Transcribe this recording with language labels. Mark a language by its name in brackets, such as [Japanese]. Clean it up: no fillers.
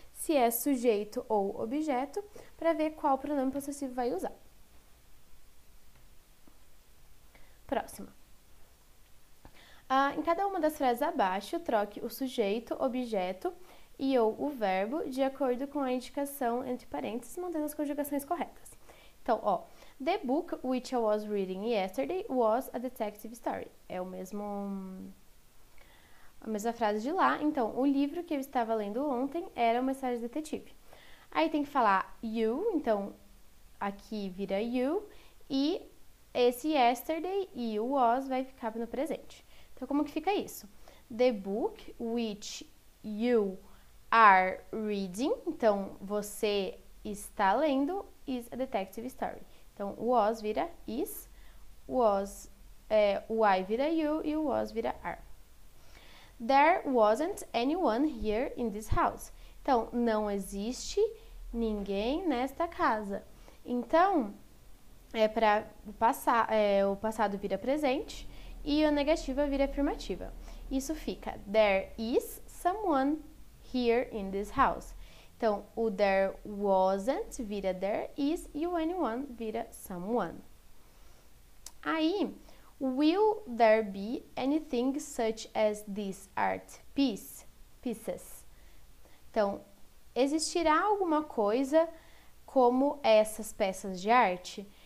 [Portuguese] Se é sujeito ou objeto, para ver qual pronome possessivo vai usar. Próxima. Em cada uma das frases abaixo, troque o sujeito, objeto e ou o verbo de acordo com a indicação entre parênteses, mantendo as conjugações corretas. Então, ó, [English] the book which I was reading yesterday was a detective story. [Portuguese] É o mesmo. A mesma frase de lá. Então, o livro que eu estava lendo ontem era uma história de detetive. Aí tem que falar you, então aqui vira you, e esse yesterday e o was vai ficar no presente. Então, como que fica isso? [English] The book which you are reading, [Portuguese] então você está lendo, [English] is a detective story. [Portuguese] Então, o [English] was vira is, [Portuguese] was é o I vira you e o was vira are. [English] There wasn't anyone here in this house. [Portuguese] Então, não existe ninguém nesta casa. Então, é para passar, o passado vira presente e o negativa vira afirmativa. Isso fica: [English] There is someone here in this house. [Portuguese] Então, o there wasn't vira there is e o anyone vira someone. Aí, [English] will there be anything such as this art piece? Pieces. [Portuguese] Então, existirá alguma coisa como essas peças de arte?